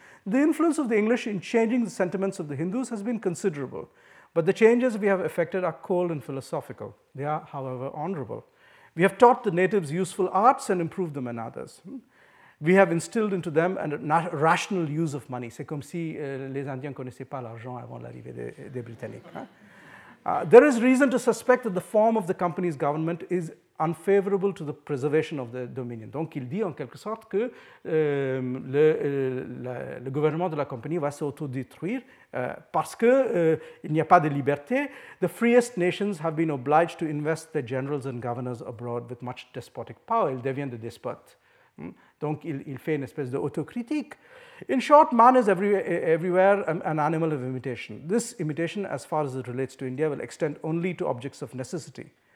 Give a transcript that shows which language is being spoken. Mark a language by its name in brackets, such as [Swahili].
[English] The influence of the English in changing the sentiments of the Hindus has been considerable, but the changes we have effected are cold and philosophical. They are, however, honorable. We have taught the natives useful arts and improved them in others. we have instilled into them a rational use of money. [French] C'est comme si les Indiens ne connaissaient pas l'argent avant l'arrivée des Britanniques. Hein? [English] There is reason to suspect that the form of the company's government is unfavorable to the preservation of the dominion. [French] Donc, il dit en quelque sorte que le gouvernement de la compagnie va s'autodétruire parce qu'il n'y a pas de liberté. [English] The freest nations have been obliged to invest their generals and governors abroad with much despotic power. [French] Ils deviennent des despotes. Donc, il fait une espèce d'autocritique. [English] In short, man is everywhere an animal of imitation. This imitation, as far as it relates to India, will extend only to objects of necessity.